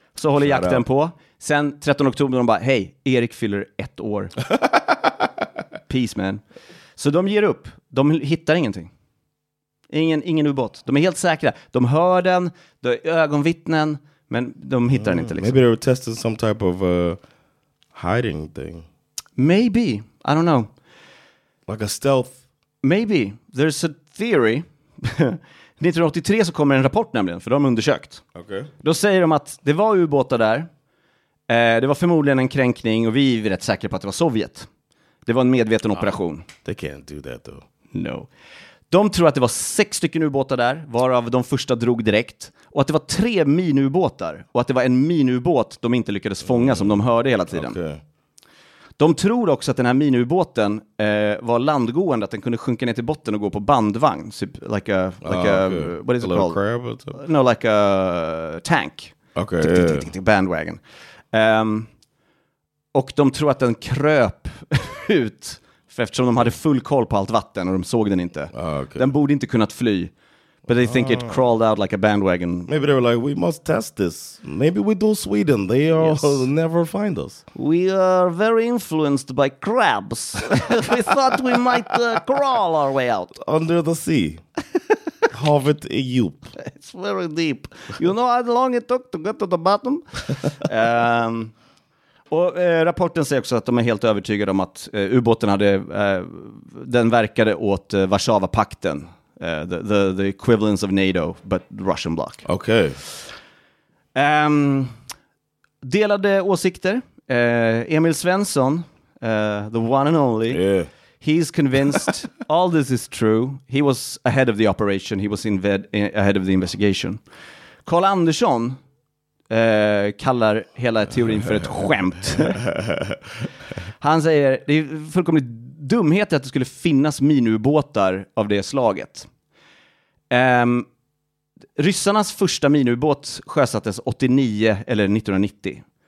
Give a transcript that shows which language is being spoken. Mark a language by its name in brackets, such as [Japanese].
[Swedish] Så håller shout jakten out på. Sen 13 oktober, de bara, hej, Erik fyller ett år. [English] Peace, man. [Swedish] Så de ger upp. De hittar ingenting. Ingen ubåt. De är helt säkra. De hör den, de är ögonvittnen, men de hittar den inte liksom. [English] Maybe they were testing some type of hiding thing. Maybe. I don't know. Like a stealth. Maybe. There's a theory. [Swedish] 1983 så kommer en rapport nämligen, för de har undersökt. [English] Okay. [Swedish] Då säger de att det var ubåtar där. Det var förmodligen en kränkning och vi är rätt säkra på att det var Sovjet. Det var en medveten operation. [English] They can't do that though. No. [Swedish] De tror att det var 6 stycken ubåtar där, varav de första drog direkt. Och att det var 3 minubåtar. Och att det var en minubåt de inte lyckades fånga som de hörde hela tiden. [English] Okay. [Swedish] De tror också att den här minubåten var landgående, att den kunde sjunka ner till botten och gå på bandvagn. Typ, [English] like a what is it called? Crab? No, like a tank. Okay, yeah. Bandwagon. Och de tror att den kröp ut, för eftersom de hade full koll på allt vatten och de såg den inte. Okay. Den borde inte kunnat fly. But they think it crawled out like a bandwagon. Maybe they were like, we must test this. Maybe we do Sweden. They all never find us. We are very influenced by crabs. We thought we might crawl our way out. Under the sea. Have it a youp. It's very deep. You know how long it took to get to the bottom? [Swedish] rapporten säger också att de är helt övertygade om att ubåten hade... den verkade åt Warszawapakten. [English] The equivalence of NATO, but Russian bloc. Okay. [Swedish] Delade åsikter. [English] Emil Svensson, the one and only. Yeah. He's convinced all this is true. He was ahead of the operation. He was ahead of the investigation. [Swedish] Carl Andersson kallar hela teorin för ett skämt. Han säger, det är fullkomligt dumhet att det skulle finnas minubåtar av det slaget. Ryssarnas första minubåt sjösattes 89 eller 1990. [English] Okay.